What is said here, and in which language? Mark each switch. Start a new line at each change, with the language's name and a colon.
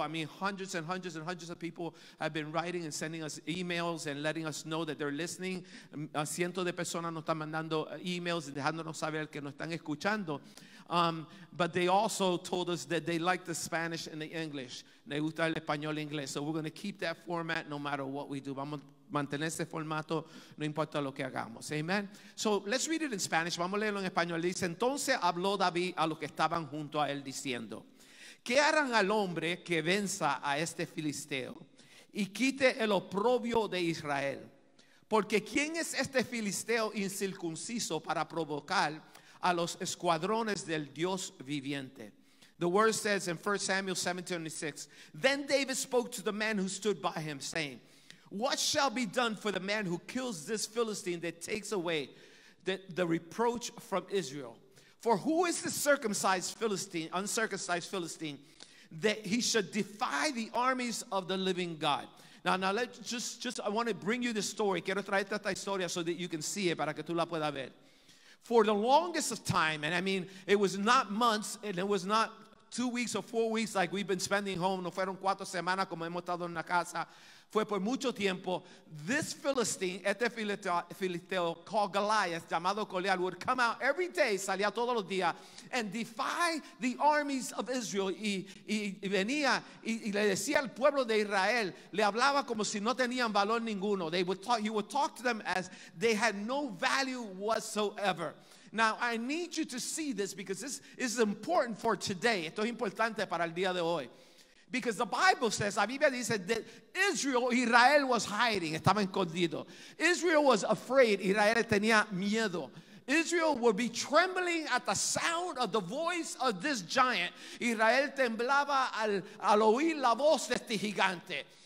English: I mean, hundreds and hundreds and hundreds of people have been writing and sending us emails and letting us know that they're listening.
Spanish: Cientos de personas nos están mandando emails y dejándonos saber que nos están escuchando.
English: But they also told us that they like the Spanish and the English. Me gusta el español e inglés. So we're going to keep that format no matter what we do.
Spanish: Vamos a mantener ese formato, no importa lo que hagamos. Amen. So let's read it in Spanish. Vamos a leerlo en español. Dice, entonces habló David a los que estaban junto a él diciendo, ¿qué harán al hombre que venza a este filisteo y quite el oprobio de Israel? Porque ¿quién es este filisteo incircunciso para provocar a los escuadrones del Dios viviente?
English: The word says in 1 Samuel 17:26, then David spoke to the man who stood by him, saying, what shall be done for the man who kills this Philistine that takes away the reproach from Israel? For who is the uncircumcised Philistine, that he should defy the armies of the living God? Now let's just I want to bring you this story. Quiero traer esta historia so that you can see it, para que tú la puedas ver. For the longest of time, and I mean, it was not months, and it was not 2 weeks or 4 weeks like we've been spending home.
Spanish: No fueron cuatro semanas como hemos estado en la casa.
English: Fue por mucho tiempo. This Philistine, este filisteo called Goliath, llamado Goliath, would come out every day, salía todos los días, and defy the armies of Israel.
Spanish: Y venía y le decía al pueblo de Israel, le hablaba como si no tenían valor ninguno.
English: He would talk to them as they had no value whatsoever. Now, I need you to see this because this is important for today.
Spanish: Esto es importante para el día de hoy.
English: Because the Bible says, la Biblia dice, that Israel was hiding, estaba escondido. Israel was afraid, Israel tenía miedo. Israel would be trembling at the sound of the voice of this giant.
Spanish: Israel temblaba al oír la voz de este gigante.